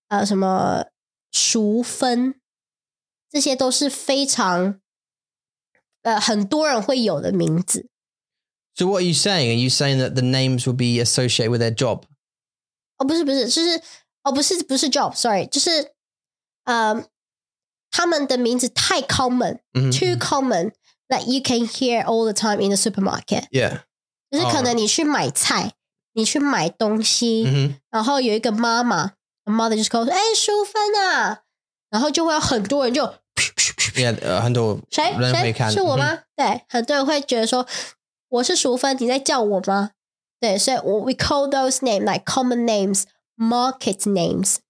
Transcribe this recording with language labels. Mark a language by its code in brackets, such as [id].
[zh] 什么淑芬，这些都是非常很多人会有的名字。 [en] So what are you saying? Are you saying that the names will be associated with their job? [zh] 哦不是不是就是哦不是不是 job, sorry, 就是他们的名字太 common,、 mm-hmm. [en] too common, that you can hear all the time in the supermarket. Yeah. [zh] 就是可能你去买菜、oh. 你去买东西、 mm-hmm. 然后有一个妈妈 a mother just goes, 哎淑芬啊然后就会有很多人就 Yeah, 很多人会看谁是我吗、mm-hmm. 对很多人会觉得说我是淑芬你在叫我吗对，所以 we call those names like common names, market names.